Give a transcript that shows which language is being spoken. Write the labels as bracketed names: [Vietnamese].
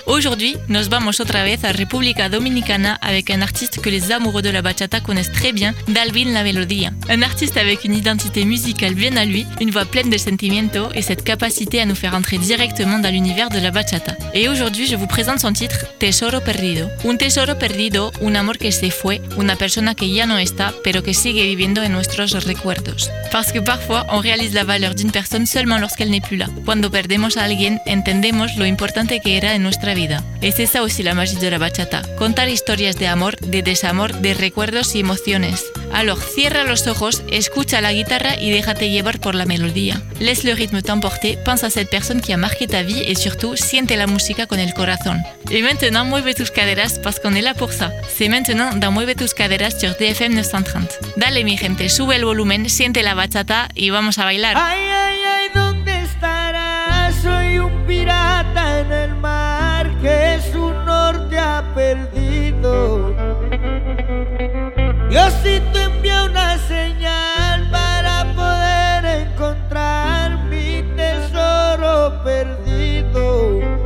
[French] Aujourd'hui, [Spanish] nos vamos otra vez a República Dominicana [French] avec un artiste que les amoureux de la bachata connaissent très bien, Dalvin La Melodía. Un artiste avec une identité musicale bien à lui, une voix pleine de sentimiento et cette capacité à nous faire entrer directement dans l'univers de la bachata. Et aujourd'hui, je vous présente son titre, Tesoro Perdido. [Spanish] Un tesoro perdido, un amor que se fue, una persona que ya no está, pero que sigue viviendo en nuestros recuerdos. [French] Parce que parfois, on réalise la valeur d'une personne seulement lorsqu'elle n'est plus là. [Spanish] Cuando perdemos a alguien, entendemos lo importante que era en nuestra vida. [French] Et c'est ça aussi la magie de la bachata. [Spanish] Contar historias de amor, de desamor, de recuerdos y emociones. Alors, cierra los ojos, escucha la guitarra y déjate llevar por la melodía. [French] Laisse le rythme t'emporter, pense à cette personne qui a marqué ta vie et surtout, [Spanish] siente la música con el corazón. [French] Et maintenant, [Spanish] mueve tus caderas [French] parce qu'on est là pour ça. C'est maintenant dans Mueve tus caderas sur DFM 930. [Spanish] Dale mi gente, sube el volumen, siente la bachata y vamos a bailar. Ay, ay, ay, ¿dónde estarás? Soy un pirata en el mar que su norte ha perdido. Diosito envía una señal para poder encontrar mi tesoro perdido.